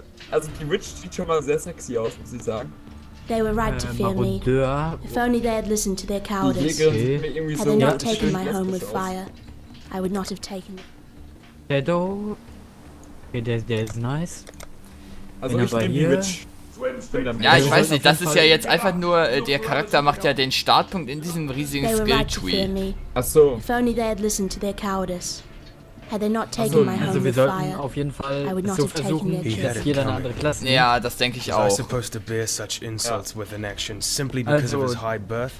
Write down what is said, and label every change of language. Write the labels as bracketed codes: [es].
[de] Also, die Witch sieht schon mal sehr sexy aus, muss ich sagen. [en] They were right to fear me. If only they had listened to their cowardice. Okay. Had they not taken my home with fire, I would not have taken it. Shadow. Okay, there is nice. [de] Also ich bin die Witch. Ja, ich weiß nicht, das ist ja jetzt einfach nur, der Charakter macht ja den Startpunkt in diesem riesigen Skill-Tree. Ach so. [en] If only they had listened to their cowardice. Had they not taken my home [de] also wir sollten auf jeden Fall so versuchen, dass jeder eine andere Klasse nimmt. Ja, das denke ich auch. [en] Supposed to bear such insults with an action simply because of his high birth.